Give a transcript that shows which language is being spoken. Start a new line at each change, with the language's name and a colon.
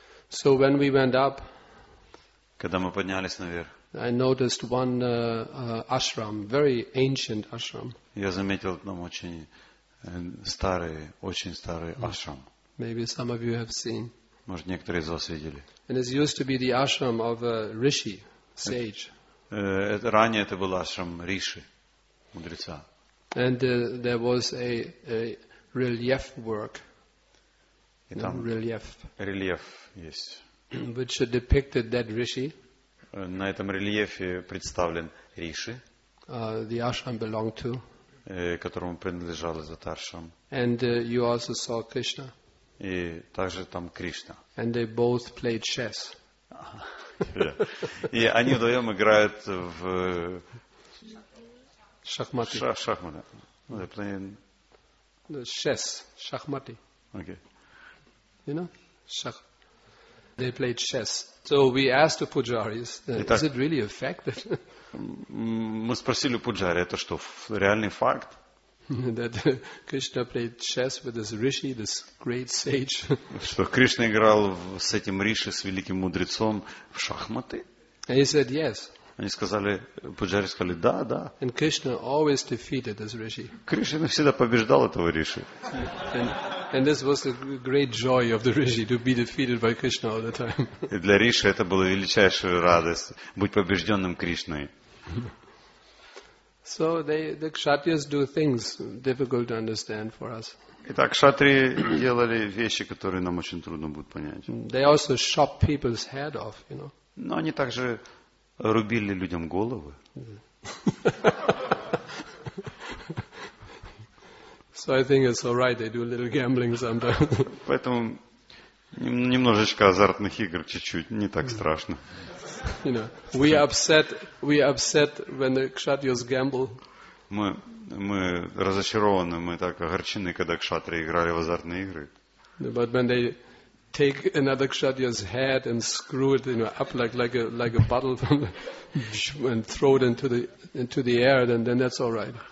English: So when we went up,
Russian: когда мы поднялись наверх,
English: I noticed one ashram, very ancient ashram.
Russian: Я заметил там очень старый ashram.
English: Maybe some of you have seen.
Russian: Может, некоторые из вас видели.
English: And it used to be the ashram of a rishi, sage.
Russian: Ранее это был ashram риши, мудреца.
English: And there was a relief work. Relief. Yes. Which depicted that rishi.
Russian: На этом рельефе представлен риши.
English: The ashram belonged to.
Russian: Которому принадлежал этот ашрам.
English: And you also saw Krishna.
Russian: И также там Кришна.
English: And they both played chess.
Russian: И они вдвоем играют в шахматы. Шахматы.
English: They're playing chess.
Russian: Шахматы.
English: Okay. You know? They played chess. So we asked the pujaris, is it really effective?
Russian: Мы спросили пуджари, это что, реальный факт?
English: That Krishna played chess with this rishi, this great sage.
Russian: Что Кришна играл с этим риши, с великим мудрецом, в шахматы?
English: And he said yes.
Russian: Они сказали, пуджари сказали, да, да.
English: And Krishna always defeated this rishi.
Russian: Кришна всегда побеждал этого риши.
English: And this was the great joy of the rishi to be defeated by Krishna all the time.
Russian: И для риши это была величайшая радость быть побежденным Кришной.
English: So the kshatriyas do things difficult to understand for us.
Russian: Итак, кшатри делали вещи, которые нам очень трудно будет понять.
English: They also chop people's head off, you know.
Russian: Но они также рубили людям головы.
English: So I think it's all right. They do a little gambling sometimes.
Russian: Поэтому немножечко азартных игр, чуть-чуть, не так страшно.
English: You know, we upset when the kshatriyas gamble.
Russian: Мы разочарованы, мы так огорчены, когда кшатрии играли в азартные игры.
English: But when they take another kshatriya's head and screw it, you know, up like a bottle and throw it into the air, then that's all right.